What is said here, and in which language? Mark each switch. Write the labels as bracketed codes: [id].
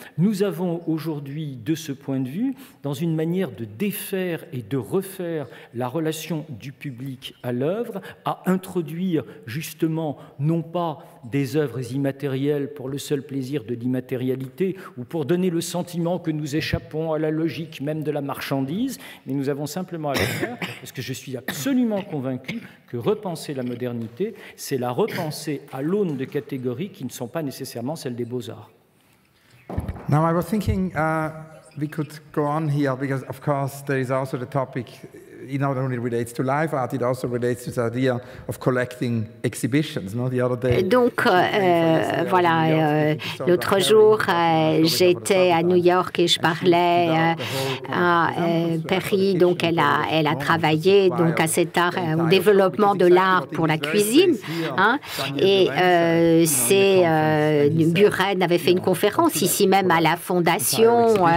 [fr] Nous avons aujourd'hui, de ce point de vue, dans une manière de défaire et de refaire la relation du public à l'œuvre, à introduire justement non pas des œuvres immatérielles pour le seul plaisir de l'immatérialité ou pour donner le sentiment que nous échappons à la logique même de la marchandise, mais nous avons simplement à le faire parce que je suis absolument convaincu que repenser la modernité, c'est la repenser à l'aune de catégories qui ne sont pas nécessairement celles des beaux-arts. [en] Now I was thinking we could go on here because of course there is also the topic. It not only relates to live art, it also relates to the idea of collecting exhibitions. No, the other day. [fr] Donc, voilà. L'autre jour, j'étais à New York et je parlais à Perry. Donc, elle a travaillé donc à cet art, au développement de l'art pour la cuisine. Hein, et c'est Buren avait fait une conférence ici même à la Fondation.